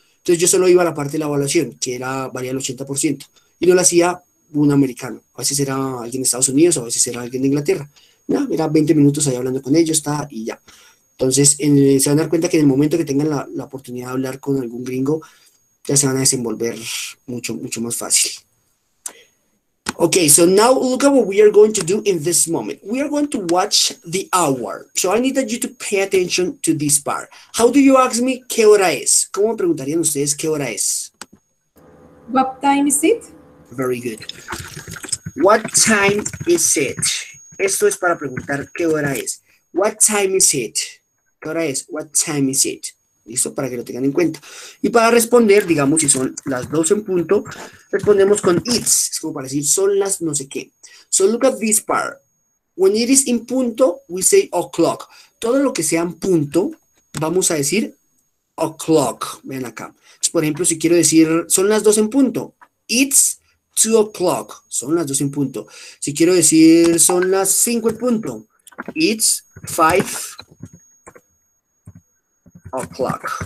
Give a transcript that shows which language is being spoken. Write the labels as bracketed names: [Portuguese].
[Spanish] Entonces, yo solo iba a la parte de la evaluación, que era valía el 80%, y no la hacía un americano. A veces era alguien de Estados Unidos, a veces era alguien de Inglaterra. ¿No? Era 20 minutos ahí hablando con ellos, está y ya. Entonces, se van a dar cuenta que en el momento que tengan la oportunidad de hablar con algún gringo, ya se van a desenvolver mucho, mucho más fácil. [English] Ok, so now look at what we are going to do in this moment. We are going to watch the hour. So I need that you to pay attention to this part. How do you ask me [Spanish] qué hora es? ¿Cómo me preguntarían ustedes qué hora es? [English] What time is it? Very good. What time is it? [Spanish] Esto es para preguntar qué hora es. [English] What time is it? [Spanish] ¿Qué hora es? [English] What time is it? [Spanish] Listo, para que lo tengan en cuenta. Y para responder, digamos, si son las 2 en punto, respondemos con it's. Es como para decir, son las no sé qué. [English] So look at this part. When it is in punto, we say o'clock. [Spanish] Todo lo que sea en punto, vamos a decir o'clock. Ven acá. Entonces, por ejemplo, si quiero decir, son las 2 en punto. [English] It's 2 o'clock. [Spanish] Son las 2 en punto. Si quiero decir, son las 5 en punto. [English] It's 5 o'clock.